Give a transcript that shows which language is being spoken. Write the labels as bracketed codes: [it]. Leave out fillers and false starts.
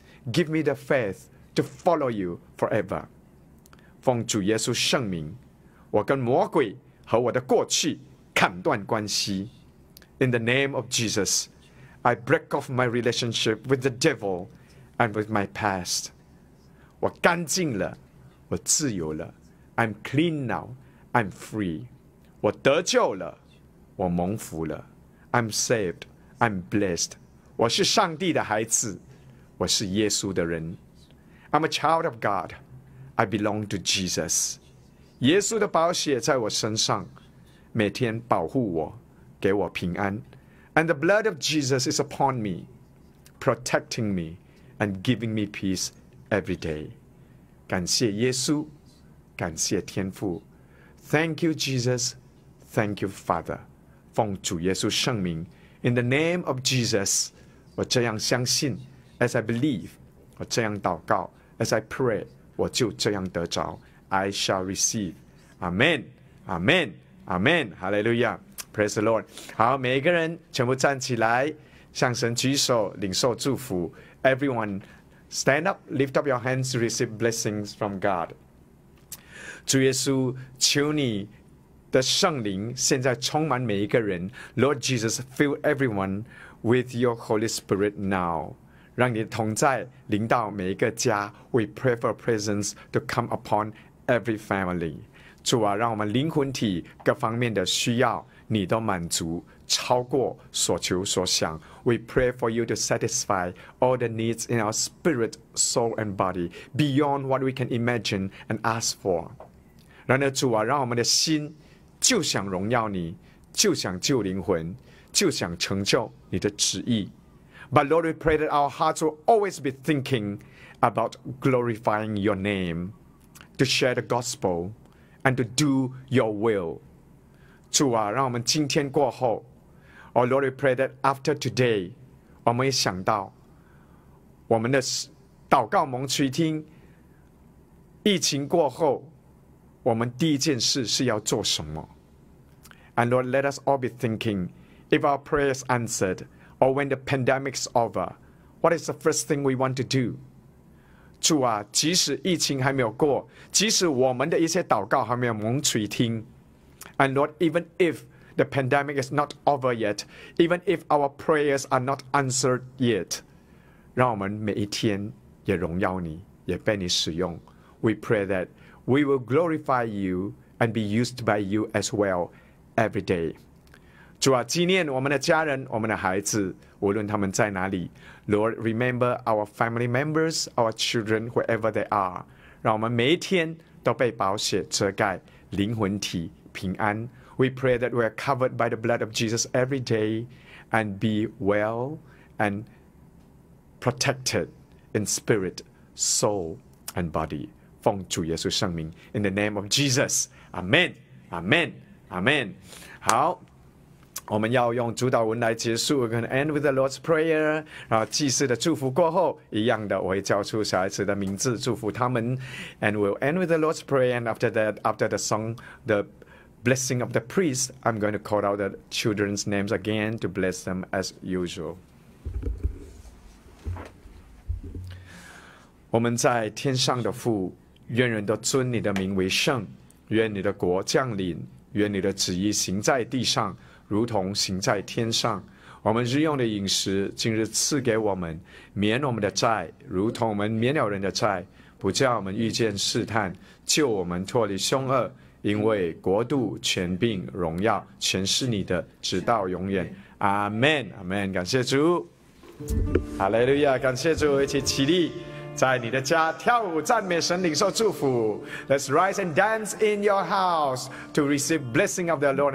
[en] Give me the faith To follow you forever [zh] 奉主耶稣圣名我跟魔鬼和我的过去砍断关系 [en] In the name of Jesus, I break off my relationship with the devil and with my past. [zh] 我干净了，我自由了。 [en] I'm clean now, I'm free. [zh] 我得救了，我蒙福了。 [en] I'm saved, I'm blessed. [zh] 我是上帝的孩子，我是耶稣的人。 [en] I'm a child of God, I belong to Jesus. [zh] 耶稣的宝血在我身上，每天保护我，给我平安。 [en] And the blood of Jesus is upon me, protecting me and giving me peace every day. [zh] 感谢耶稣，感谢天父。 [en] Thank you, Jesus. Thank you, Father. [zh] 奉主耶稣圣名， [en] In the name of Jesus, [zh] 我这样相信， [en] As I believe, [zh] 我这样祷告， [en] As I pray, [zh] 我就这样得着， [en] I shall receive. Amen, Amen, Amen. Hallelujah. Praise the Lord. [zh] 好，每一个人全部站起来，向神举手，领受祝福。 [en] Everyone, stand up, lift up your hands to receive blessings from God. [zh] 主耶稣，求你的圣灵现在充满每一个人。 [en] Lord Jesus, fill everyone with your Holy Spirit now. [zh] 让你的同在临到每一个家。 [en] We pray for presence to come upon every family. [zh] 主啊，让我们灵魂体各方面的需要你都满足，超过所求所想。 [en] We pray for you to satisfy all the needs in our spirit, soul and body beyond what we can imagine and ask for. [zh] 然而主啊，让我们的心就想荣耀你，就想救灵魂，就想成就你的旨意。 [en] But Lord, we pray that our hearts will always be thinking about glorifying your name, to share the gospel, and to do your will. [zh] 主啊，让我们今天过后， [en] Oh Lord, we pray that after today, [zh] 我们也想到我们的祷告蒙垂听，疫情过后我们第一件事是要做什么。 [en] And Lord, let us all be thinking, if our prayer is answered, or when the pandemic's over, what is the first thing we want to do? [zh] 主啊，即使疫情还没有过，即使我们的一些祷告还没有蒙垂听， [en] And Lord, even if the pandemic is not over yet, even if our prayers are not answered yet, [zh] 让我们每一天也荣耀你，也被你使用。 [en] We pray thatWe will glorify you and be used by you as well every day. [zh] 主啊，纪念我们的家人，我们的孩子，无论他们在哪里。 [en] Lord, remember our family members, our children, wherever they are. [zh] 让我们每一天都被宝血遮盖，灵魂体平安。 [en] We pray that we are covered by the blood of Jesus every day and be well and protected in spirit, soul and body. [zh] 奉主耶稣圣名 [en] ，In the name of Jesus, Amen, Amen, Amen. [zh] 好，我们要用主导文来结束 ， [en] We're going to end with the Lord's Prayer. [zh] 然后祭司的祝福过后，一样的，我会叫出小孩子的名字，祝福他们 ， [en] And we'll end with the Lord's Prayer. And after that, after the song, the blessing of the priest, I'm going to call out the children's names again to bless them as usual. [zh] 我们在天上的父，愿人都尊你的名为圣，愿你的国降临，愿你的旨意行在地上，如同行在天上。我们日用的饮食，今日赐给我们，免我们的债，如同我们免了人的债，不叫我们遇见试探，救我们脱离凶恶，因为国度、权柄、荣耀，全是你的，直到永远。阿门，阿门。感谢主，哈利路亚，感谢主，一起起立。在你的家跳舞赞美神，领受祝福。 [en] Let's rise and dance in your house to receive blessing of the Lord.